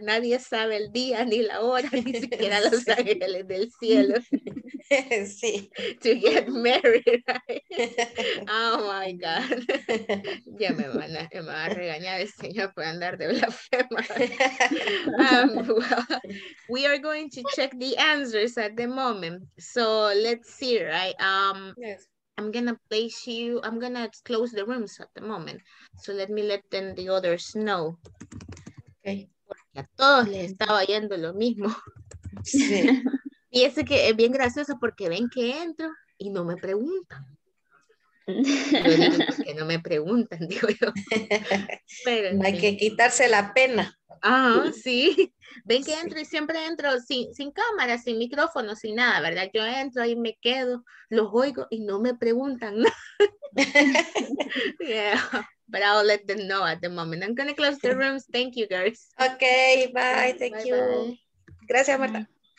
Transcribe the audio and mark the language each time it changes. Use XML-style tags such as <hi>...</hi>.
<es>Nadie sabe el día ni la hora, ni siquiera los sí. Ángeles del cielo. Sí.</es> <en>To get married, right? Oh my God.</en> <es>Ya me va a regañar el señor por andar de blasfema.</es> <en>Well, we are going to check the answers at the moment. So let's see, right? Yes. I'm going to place you, I'm going to close the rooms at the moment. So let me let them, the others know. Okay.</en> <es>A todos les estaba yendo lo mismo. Sí. Y ese que es bien gracioso porque ven que entro y no me preguntan. Que no me preguntan, digo yo. Pero hay que quitarse la pena. Ah, sí. Ven que sí. Entro y siempre entro sin cámara, sin micrófono, sin nada, ¿verdad? Yo entro y me quedo, los oigo y no me preguntan.</es> <en>Yeah. But I'll let them know at the moment. I'm going to close the rooms. Thank you, girls. Okay, bye. Thank bye, you. Bye.</en> <es>Gracias,</es> <en>Marta.</en>